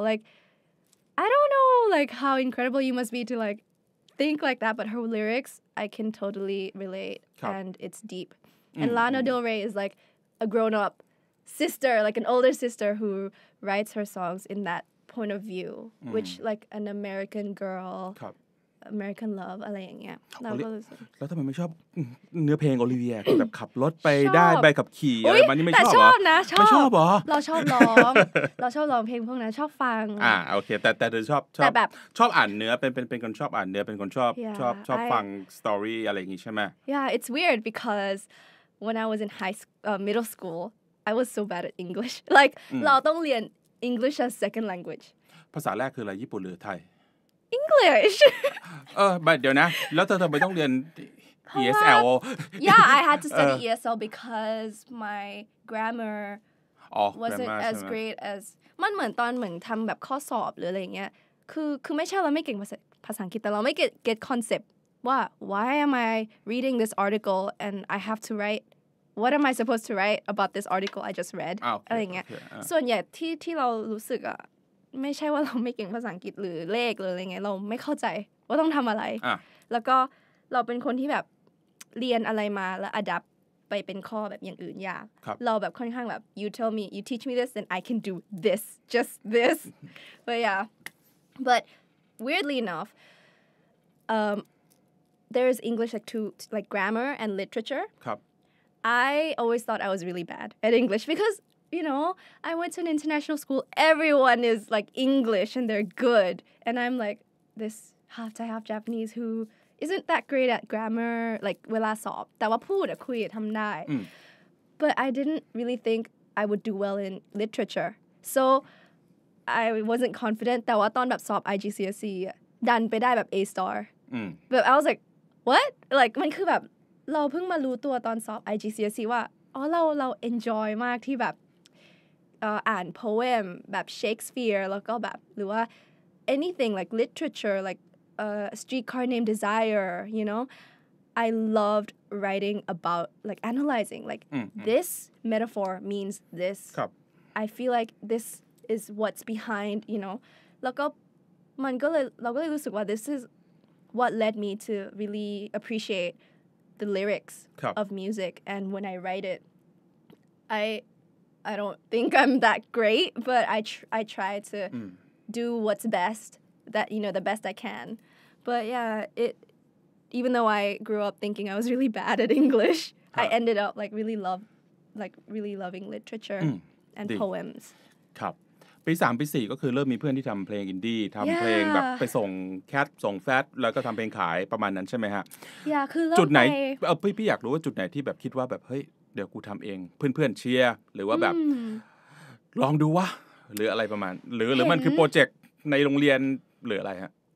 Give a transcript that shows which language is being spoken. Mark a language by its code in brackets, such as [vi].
[en] Like, I don't know like how incredible you must be to like think like that, but her lyrics, I can totally relate and it's deep. And Lana Del Rey is like a grown-up sister, like an older sister who writes her songs in that point of view, which like an American girl, American love, [th] อะไรอย่างเงี้ย แล้วทำไมไม่ชอบเนื้อเพลงโอลิเวียแบบขับรถไปได้ใบขับขี่อะไรมันนี่ไม่ชอบ แต่ชอบนะชอบ ชอบ เราชอบร้องเราชอบร้องเพลงพวกนั้นชอบฟัง โอเคแต่เธอชอบชอบ แบบ ชอบอ่านเนื้อเป็นคนชอบอ่านเนื้อเป็นคนชอบฟังสตอรี่อะไรอย่างงี้ใช่ไหม [en] Yeah, it's weird becauseWhen I was in middle school, I was so bad at English. Like, [th] เราต้องเรียน [en] English as second language. [th] ภาษาแรกคืออะไรญี่ปุ่นหรือไทย [en] English. [th] but เดี๋ยวนะแล้วเธอทำไมต้องเรียน ESL? [en] Yeah, I had to study ESL because my grammar wasn't as great as. [th] มันเหมือนตอนเหมือนทำแบบข้อสอบหรืออะไรเงี้ยคือไม่ใช่เราไม่เก่งภาษาอังกฤษแต่เราไม่ [en] get concept. Why am I reading this article and I have to write? What am I supposed to write about this article I just read? Okay, I think yeah. [th] ส่วนใหญ่ที่เรารู้สึกอ่ะไม่ใช่ว่าเราไม่เก่งภาษาอังกฤษหรือเลขหรืออะไรเงี้ยเราไม่เข้าใจว่าต้องทำอะไรแล้วก็เราเป็นคนที่แบบเรียนอะไรมาแล้ว adapt ไปเป็นข้อแบบอย่างอื่นยากเราแบบค่อนข้างแบบ [en] you tell me you teach me this and I can do this just this but yeah but weirdly enough There's English like to like grammar and literature. Cup. I always thought I was really bad at English because you know I went to an international school. Everyone is like English and they're good, and I'm like this half Thai half Japanese who isn't that great at grammar. Like [th] เวลาสอบแต่ว่าพูดอะคุยทำได้ [en] But I didn't really think I would do well in literature, so I wasn't confident. [th] แต่ว่าตอนแบบสอบ IGCSE ดันไปได้แบบ A star. [en] But I was like. [th] What like มันคือแบบเราเพิ่งมารู้ตัวตอนสอบ IGCSE ว่าอ๋อเรา enjoy มากที่แบบ [en] อ่าน poem แบบ Shakespeare [th] แล้วก็แบบหรือว่า [en] anything like literature like Streetcar Named Desire you know I loved writing about like analyzing like this metaphor means this I feel like this is what's behind you know [th] แล้วก็มันก็เลยเราก็เลยรู้สึกว่า [en] this isWhat led me to really appreciate the lyrics of music, and when I write it, I don't think I'm that great, but I try to do what's best that you know the best I can. But yeah, it even though I grew up thinking I was really bad at English, I ended up like really loving literature and poems. [th] ครับปี3ปี4ก็คือเริ่มมีเพื่อนที่ทำเพลงอินดี้ทำ เพลงแบบไปส่งแคทส่งแฟทแล้วก็ทำเพลงขายประมาณนั้นใช่ไหมฮะ yeah, คือ จุดไหนพี่อยากรู้ว่าจุดไหนที่แบบคิดว่าแบบเฮ้ยเดี๋ยวกูทำเองเพื่อนเพื่อนเชียร์หรือว่าแบบลองดูวะหรืออะไรประมาณหรือมันคือโปรเจกต์ในโรงเรียนหรืออะไรฮะ